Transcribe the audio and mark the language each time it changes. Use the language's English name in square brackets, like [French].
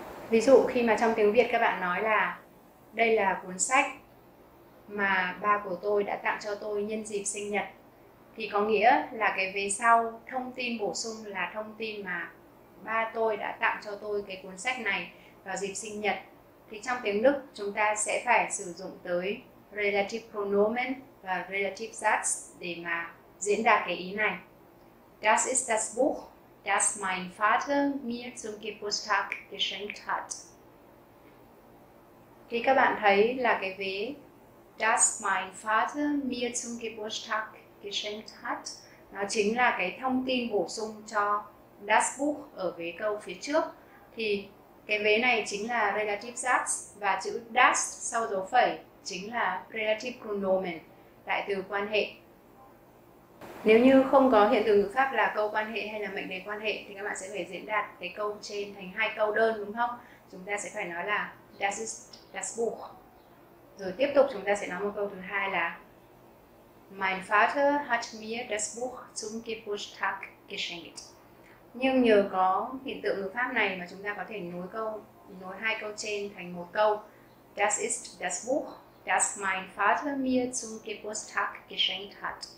[Vietnamese] Ví dụ khi mà trong tiếng Việt các bạn nói là đây là cuốn sách mà ba của tôi đã tặng cho tôi nhân dịp sinh nhật, thì có nghĩa là cái về sau thông tin bổ sung là thông tin mà ba tôi đã tặng cho tôi cái cuốn sách này vào dịp sinh nhật. Thì trong tiếng Đức chúng ta sẽ phải sử dụng tới relative pronomen và relative dats để mà diễn đạt cái ý này. [German] Das ist das Buch, das mein Vater mir zum Geburtstag geschenkt hat. [Vietnamese] Thì các bạn thấy là cái vế [German] das mein Vater mir zum Geburtstag geschenkt hat [Vietnamese] nó chính là cái thông tin bổ sung cho das Buch ở vế câu phía trước. Thì cái vế này chính là relative dats và chữ das sau dấu phẩy chính là relative pronomen, đại từ quan hệ. Nếu như không có hiện từ ngữ pháp là câu quan hệ hay là mệnh đề quan hệ thì các bạn sẽ phải diễn đạt cái câu trên thành hai câu đơn đúng không? Chúng ta sẽ phải nói là [German] das ist das Buch. [Vietnamese] Rồi tiếp tục chúng ta sẽ nói một câu thứ hai là [German] Mein Vater hat mir das Buch zum Geburtstag geschenkt. [Vietnamese] Nhưng nhờ có hiện tượng ngữ pháp này mà chúng ta có thể nối hai câu trên thành một câu. [German] Das ist das Buch, das mein Vater mir zum Geburtstag geschenkt hat.